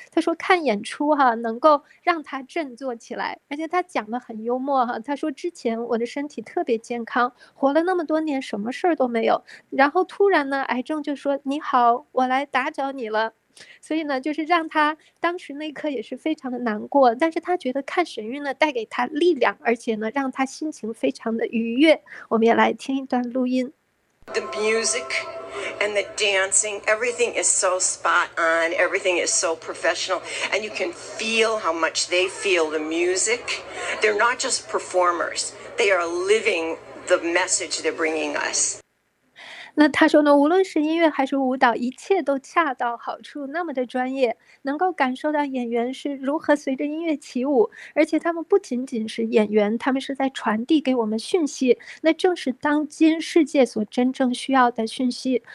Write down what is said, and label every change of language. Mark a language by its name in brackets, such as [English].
[Chinese] 她说看演出哈能够让她振作起来，而且她讲得很幽默哈，她说之前我的身体特别健康，活了那么多年什么事儿都没有，然后突然呢癌症就说你好，我来打搅你了。所以呢就是让他当时那一刻也是非常的难过，但是他觉得看神韵呢带给他力量，而且呢让他心情非常的愉悦。我们也来听一段录音。 [English] The music and the dancing, everything is so spot on, everything is so professional, and you can feel how much they feel the music. They're not just performers, they are living the message they're bringing us. [Chinese] 那他说呢，无论是音乐还是舞蹈，一切都恰到好处，那么的专业，能够感受到演员是如何随着音乐起舞，而且他们不仅仅是演员，他们是在传递给我们讯息，那正是当今世界所真正需要的讯息。